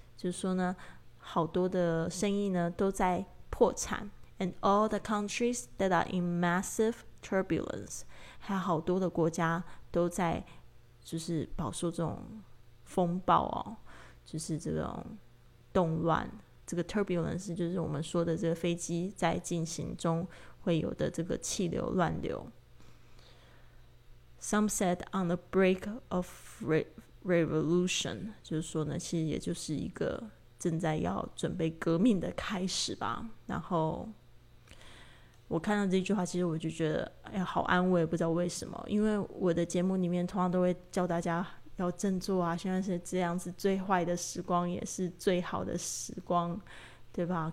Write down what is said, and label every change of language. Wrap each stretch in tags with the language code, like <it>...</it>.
<zh>就是说呢，好多的生意呢都在破产。</zh> <en>And all the countries that are in massive turbulence.</en> <zh>还有好多的国家都在就是饱受这种风暴哦，就是这种动乱。这个 turbulence 就是我们说的这个飞机在进行中会有的这个气流乱流。</zh> <en>Some said on the brink of revolution，</en> <zh>就是说呢其实也就是一个正在要准备革命的开始吧。然后我看到这句话其实我就觉得哎呀好安慰，不知道为什么，因为我的节目里面通常都会教大家要振作啊，现在是这样子，最坏的时光也是最好的时光，对吧？</zh>